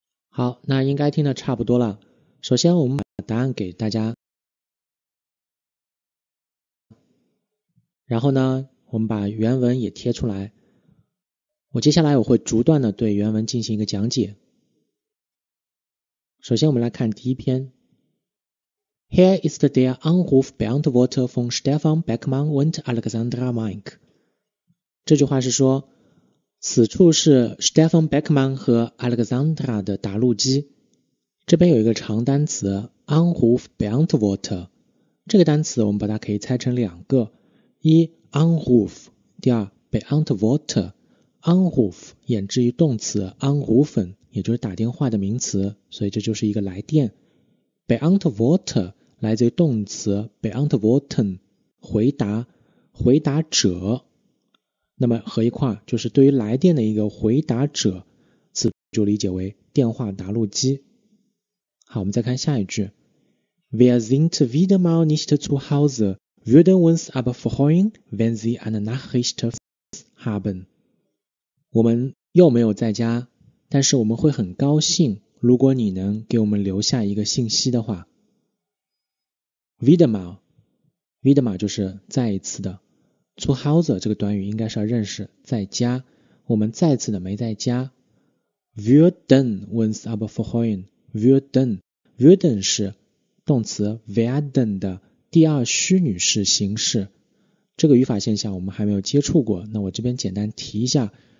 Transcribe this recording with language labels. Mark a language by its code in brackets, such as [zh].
[zh] Hau, na, 应该听得差不多了。首先我们把答案给大家。然后呢，我们把原文也贴出来。我接下来我会逐段的对原文进行一个讲解。首先我们来看第一篇。 [en] Here is the [de] der Anrufbeantworter von Stefan Beckmann und Alexandra Meink. [zh] 这句话是说，此处是 Stefan Beckmann 和 Alexandra 的答录机。这边有一个长单词 Anrufbeantworter， 这个单词我们把它可以拆成两个，一 Anruf， 第二 Beantworter。 Anruf 衍至于动词 Anrufen， 也就是打电话的名词，所以这就是一个来电。 Beantworter 来自于动词 Beantworten， 回答，回答者，那么合一块就是对于来电的一个回答者，此就理解为电话答录机。好，我们再看下一句。 [de] Wir sind wieder mal nicht zu Hause, würden uns aber freuen, wenn Sie eine Nachricht haben。 [zh] 我们又没有在家，但是我们会很高兴如果你能给我们留下一个信息的话。 Wieder mal， Wieder mal 就是再一次的。 Zu Hause 这个短语应该是要认识在家，我们再次的没在家。 [de] Würden uns aber freuen， [zh] Würden， Würden 是动词 werden 的第二虚拟式形式，这个语法现象我们还没有接触过，那我这边简单提一下。